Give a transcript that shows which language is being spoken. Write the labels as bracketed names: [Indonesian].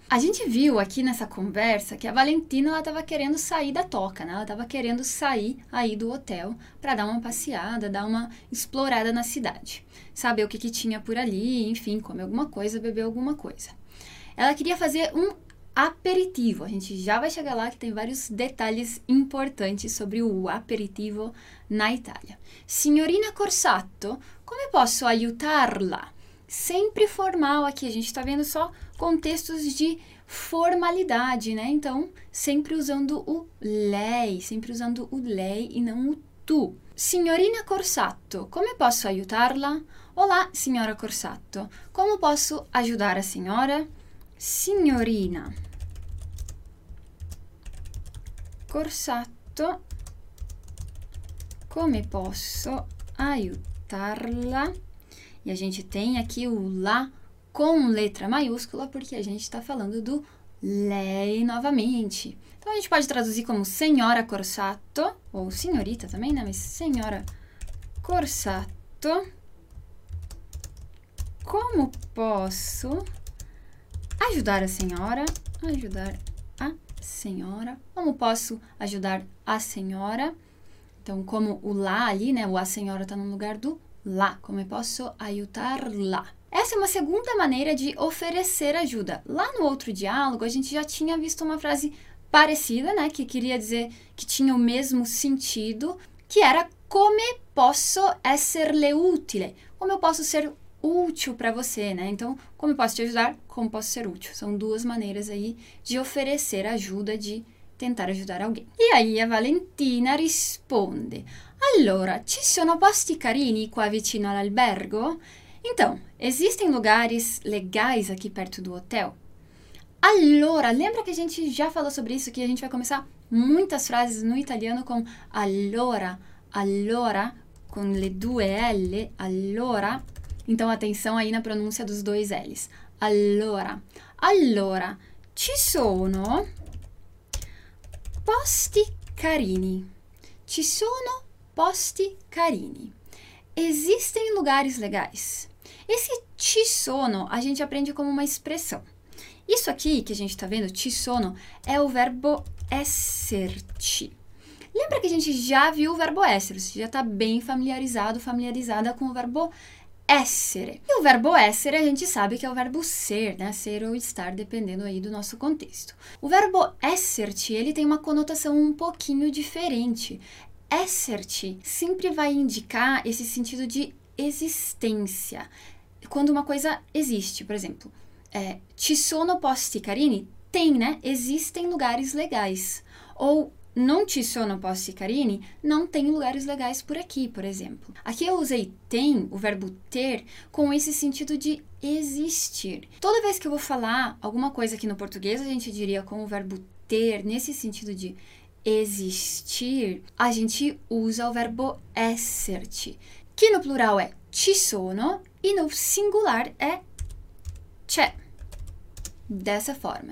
[Portuguese] A gente viu aqui nessa conversa que a Valentina ela estava querendo sair da toca, né? Ela estava querendo sair aí do hotel para dar uma passeada, dar uma explorada na cidade, saber o que que tinha por ali, enfim, comer alguma coisa, beber alguma coisa. Ela queria fazer um aperitivo. A gente já vai chegar lá que tem vários detalhes importantes sobre o aperitivo na Itália. [Italian] Signorina Corsatto, come posso aiutarla? [Portuguese] Sempre formal aqui, a gente está vendo só contextos de formalidade, né? Então, sempre usando o lei, sempre usando o lei e não o tu. [Italian] Signorina Corsatto, come posso aiutarla? [Portuguese] Olá, signora Corsatto, como posso ajudar a senhora? [Italian] Signorina Corsatto, come posso aiutarla? [Portuguese] E a gente tem aqui o lá com letra maiúscula, porque a gente está falando do lei novamente. Então a gente pode traduzir como senhora Corsatto, ou senhorita também, né? Mas senhora Corsatto, como posso ajudar a senhora? Ajudar a senhora. Como posso ajudar a senhora? Então, como o lá ali, né? O a senhora está no lugar do lá, como posso aiutar-la? Essa é uma segunda maneira de oferecer ajuda. Lá no outro diálogo, a gente já tinha visto uma frase parecida, né? Que queria dizer que tinha o mesmo sentido, que era [Italian] come posso esserle utile, [Portuguese] como eu posso ser útil para você, né? Então, como eu posso te ajudar, como posso ser útil. São duas maneiras aí de oferecer ajuda, de tentar ajudar alguém. E aí a [Italian] Valentina risponde, allora, ci sono posti carini qua vicino all'albergo? [Portuguese] Então, existem lugares legais aqui perto do hotel? Allora, lembra que a gente já falou sobre isso, que a gente vai começar muitas frases no italiano com allora, allora, com [Italian] le due L, [Portuguese] allora. Então, atenção aí na pronúncia dos dois L's. [Italian] Allora, allora, ci sono posti carini. Ci sono posti carini. [Portuguese] Existem lugares legais. Esse ci sono a gente aprende como uma expressão. Isso aqui que a gente está vendo, ci sono, é o verbo esserci. Lembra que a gente já viu o verbo essere? Você já está bem familiarizado, familiarizada com o verbo essere. E o verbo essere a gente sabe que é o verbo ser, né? Ser ou estar, dependendo aí do nosso contexto. O verbo esserci, ele tem uma conotação um pouquinho diferente. Esserci sempre vai indicar esse sentido de existência. Quando uma coisa existe, por exemplo, [Italian] ci sono posti carini? [Portuguese] Tem, né? Existem lugares legais. [Italian] Ou non ci sono posti carini? [Portuguese] Não tem lugares legais por aqui, por exemplo. Aqui eu usei tem, o verbo ter, com esse sentido de existir. Toda vez que eu vou falar alguma coisa aqui no português, a gente diria com o verbo ter, nesse sentido de existir, a gente usa o verbo esserci, que no plural é ci sono e no singular é c'è. Dessa forma.